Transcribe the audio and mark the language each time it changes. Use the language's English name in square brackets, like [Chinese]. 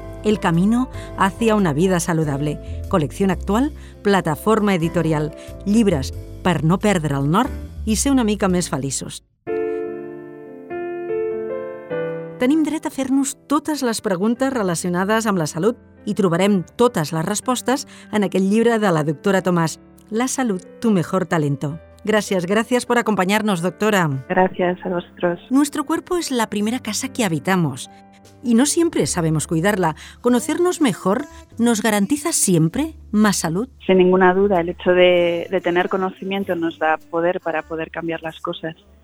[Spanish] El camino hacia una vida saludable. [Catalan] Col·lecció actual, plataforma editorial. Llibres per no perdre el nord i ser una mica més feliços. Tenim dret a fer-nos totes les preguntes relacionades amb la salut i trobarem totes les respostes en aquest llibre de la doctora Tomás, La salut, tu mejor talento. [Spanish] Gracias, gracias por acompañarnos, doctora. Gracias a vosotros. Nuestro cuerpo es la primera casa que habitamos y no siempre sabemos cuidarla. ¿Conocernos mejor nos garantiza siempre más salud? Sin ninguna duda, el hecho de tener conocimiento nos da poder para poder cambiar las cosas.